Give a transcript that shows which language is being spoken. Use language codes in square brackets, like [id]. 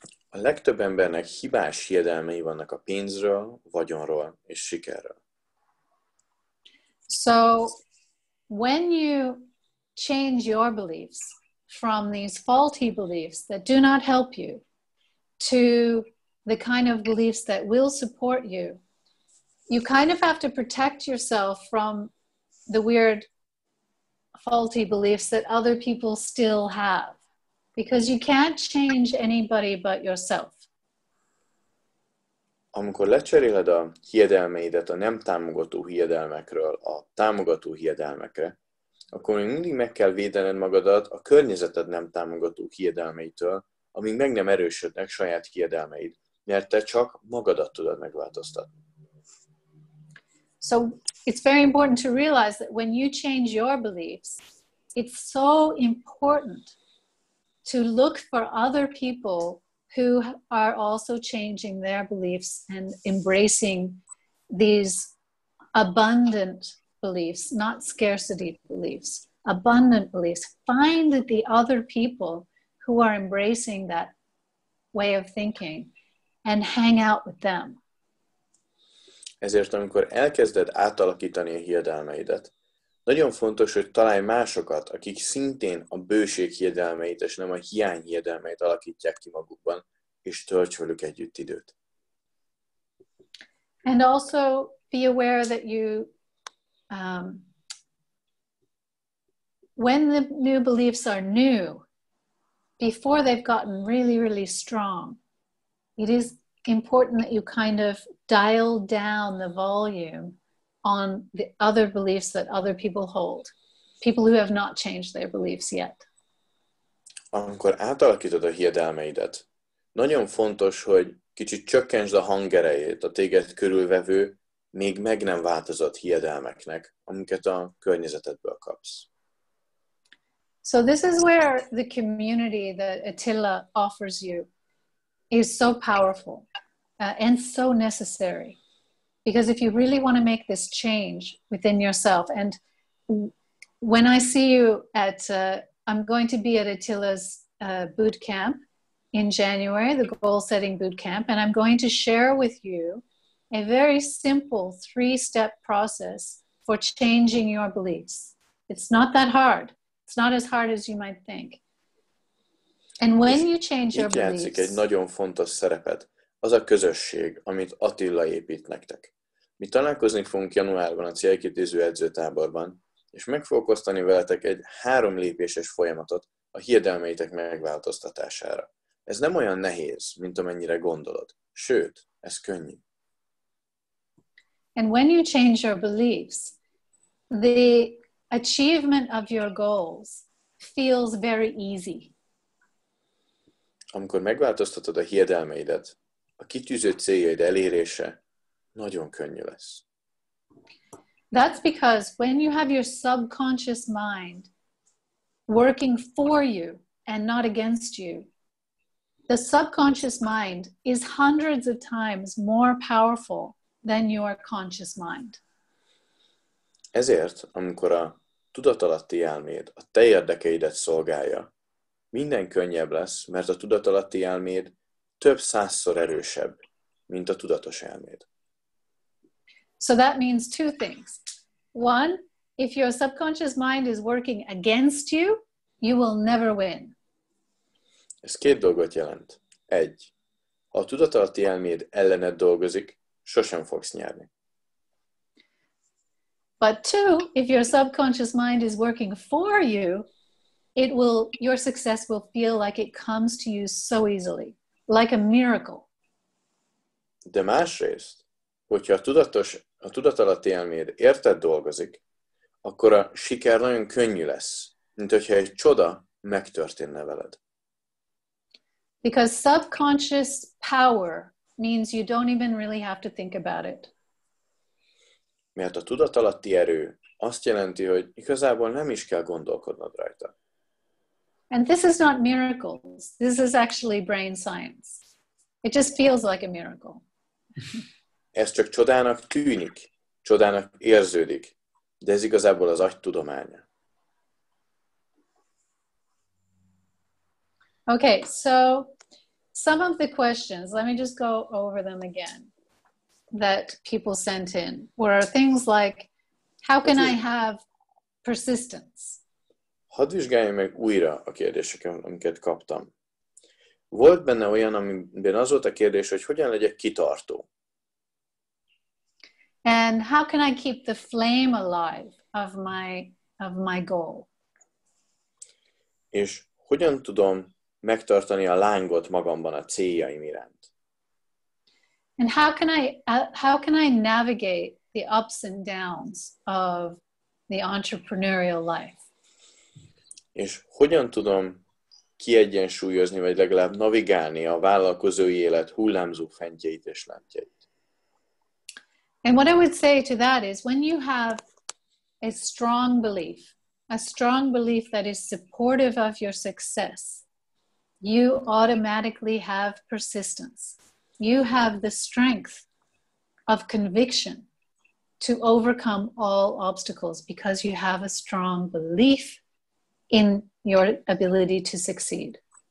[hu] A legtöbb embernek hibás hiedelmei vannak a pénzről, vagyonról és sikerről. [en] So when you change your beliefs from these faulty beliefs that do not help you to the kind of beliefs that will support you, you kind of have to protect yourself from the weird faulty beliefs that other people still have. Because you can't change anybody but yourself. [hu] Amikor lecseréled a hiedelmeidet a nem támogató hiedelmekről a támogató hiedelmekre, akkor még mindig meg kell védened magadat a környezeted nem támogató hiedelmeitől, amíg meg nem erősödnek saját hiedelmeid, mert te csak magadat tudod megváltoztatni. [en] So it's very important to realize that when you change your beliefs, it's so important to look for other people who are also changing their beliefs and embracing these abundant beliefs, not scarcity beliefs, abundant beliefs. Find the other people who are embracing that way of thinking and hang out with them. [hu] Ezért, amikor elkezded átalakítani a hiedelmeidet, nagyon fontos, hogy találj másokat, akik szintén a bőség hiedelmeit és nem a hiány hiedelmeit alakítják ki magukban, és tölts velük együtt időt. [en] And also be aware that you when the new beliefs are new, before they've gotten really, really strong, it is important that you kind of dial down the volume on the other beliefs that other people hold, people who have not changed their beliefs yet. [hu] Amikor átalakítod a hiedelmeidet, nagyon fontos, hogy kicsit csökkentsd a hangerejét a téged körülvevő, még meg nem változott hiedelmeknek, amiket a környezetedből kapsz. [en] So this is where the community that Attila offers you is so powerful and so necessary. Because if you really want to make this change within yourself, and when I see you at, I'm going to be at Attila's boot camp in January, the goal setting boot camp, and I'm going to share with you a very simple 3-step process for changing your beliefs. It's not that hard. It's not as hard as you might think. And when you change your beliefs, [hu] játszik egy nagyon fontos szerepet. Az a közösség, amit Attila épít nektek. Mi találkozni fogunk januárban a célkitűző edzőtáborban, és meg fogok osztani veletek egy 3 lépéses folyamatot a hiedelmeitek megváltoztatására. Ez nem olyan nehéz, mint amennyire gondolod. Sőt, ez könnyű. [en] And when you change your beliefs, the achievement of your goals feels very easy. [hu] Amikor megváltoztatod a hiedelmeidet, a kitűzött céljaid elérése nagyon könnyű lesz. [en] That's because when you have your subconscious mind working for you and not against you, the subconscious mind is hundreds of times more powerful than your conscious mind. [hu] Ezért, amikor a tudatalatti elméd a te érdekeidet szolgálja, minden könnyebb lesz, mert a tudatalatti elméd több százszor erősebb, mint a tudatos elméd. [en] So that means 2 things. One, if your subconscious mind is working against you, you will never win. [hu] Ez 2 dolgot jelent. 1. Ha a tudatalatti elméd ellened dolgozik, sosem fogsz nyerni. [en] But two, if your subconscious mind is working for you, it will, your success will feel like it comes to you so easily, like a miracle. [hu] De másrészt, hogyha a tudatalatti elméd érted dolgozik, akkor a siker nagyon könnyű lesz, mint hogyha egy csoda megtörténne veled. [en] Because subconscious power means you don't even really have to think about it. [hu] Mert a tudatalatti erő azt jelenti, hogy igazából nem is kell gondolkodnod rajta. [en] And this is not miracles. This is actually brain science. It just feels like a miracle. [hu] Ez csak csodának tűnik, csodának érződik, de ez igazából az agytudománya. [en] Okay, so some of the questions, let me just go over them again. That people sent in were things like, how can I have persistence? [hu] Hadd vizsgáljam meg újra a kérdéseket, amiket kaptam. Volt benne olyan, amiben az volt a kérdés, hogy hogyan legyek kitartó? [en] And how can I keep the flame alive of my goal? [hu] És hogyan tudom megtartani a lángot magamban a céljaim iránt? [en] And how can I navigate the ups and downs of the entrepreneurial life? [hu] És hogyan tudom kiegyensúlyozni, vagy legalább navigálni a vállalkozói élet hullámzó fentjeit és lentjeit? [en] And what I would say to that is, when you have a strong belief that is supportive of your success, you automatically have persistence. You have the strength of conviction to overcome all obstacles because you have a strong belief in your ability to succeed.